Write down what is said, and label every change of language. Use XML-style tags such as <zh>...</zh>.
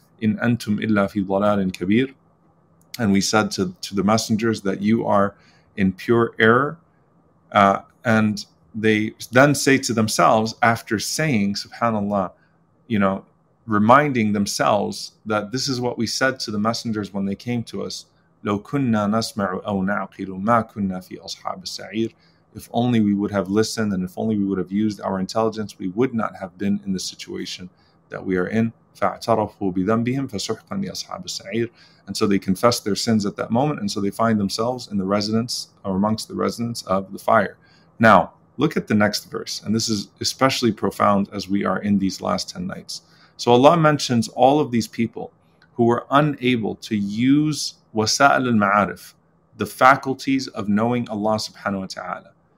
<ar>In antum illa fi dhalalin kabir.</ar> <en>And we said to the messengers that you are in pure error. And they then say to themselves, after saying, subhanAllah, you know, reminding themselves that this is what we said to the messengers when they came to us,</en> <ar>لو كنا نسمع أو نعقل ما كنا في أصحاب السعير.</ar> <en>If only we would have listened and if only we would have used our intelligence, we would not have been in the situation that we are in.</en> <ar>فاعترفوا بذنبهم فسحقا لأصحاب السعير.</ar> <en>And so they confess their sins at that moment, and so they find themselves in the residence or amongst the residents of the fire. Now, look at the next verse, and this is especially profound as we are in these last 10 nights. So Allah mentions all of these people who were unable to use wasa'il al-ma'arif, the faculties of knowing Allah subhanahu wa ta'ala.</en>